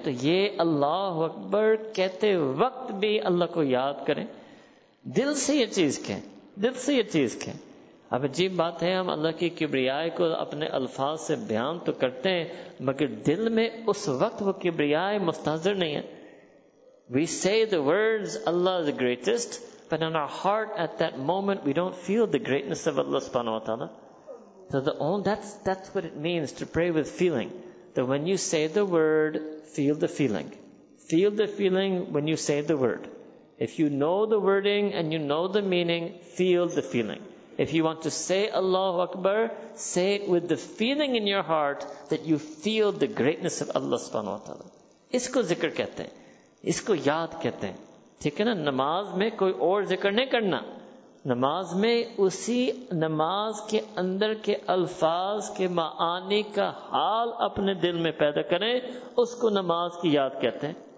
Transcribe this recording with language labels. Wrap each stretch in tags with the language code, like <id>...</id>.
<ur>تو یہ اللہ اکبر کہتے وقت بھی اللہ کو یاد کریں, دل سے یہ چیز کہیں, دل سے یہ چیز کہیں. اب عجیب بات ہے, ہم اللہ کی کبریائی کو اپنے الفاظ سے بیان تو کرتے ہیں مگر دل میں اس وقت وہ کبریائی مستحضر نہیں ہے.</ur> <en>We say the words Allah is the greatest, but in our heart at that moment we don't feel the greatness of Allah subhanahu wa ta'ala. So that's what it means to pray with feeling. That when you say the word, feel the feeling. Feel the feeling when you say the word. If you know the wording and you know the meaning, feel the feeling. If you want to say Allahu Akbar, say it with the feeling in your heart that you feel the greatness of Allah subhanahu wa ta'ala.</en> <ur>Isko zikr kehte hain. اس کو یاد کہتے ہیں, ٹھیک ہے نا. نماز میں کوئی اور ذکر نہیں کرنا, نماز میں اسی نماز کے اندر کے الفاظ کے معانی کا حال اپنے دل میں پیدا کریں, اس کو نماز کی یاد کہتے ہیں.</ur>